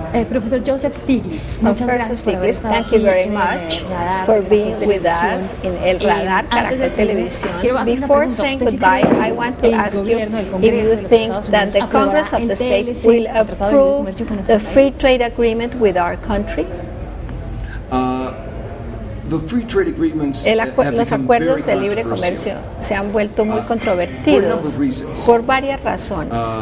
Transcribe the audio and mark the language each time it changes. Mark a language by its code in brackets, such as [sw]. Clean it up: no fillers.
[es] Professor Joseph Stiglitz, muchas gracias por haber estado [en] Thank you very much for being with us in El Radar, Caracol Televisión. Before saying goodbye, I want to ask you if you think that the Congress of the State will approve the free trade agreement with our country. [es] Los acuerdos de libre comercio se han vuelto muy controvertidos por varias razones.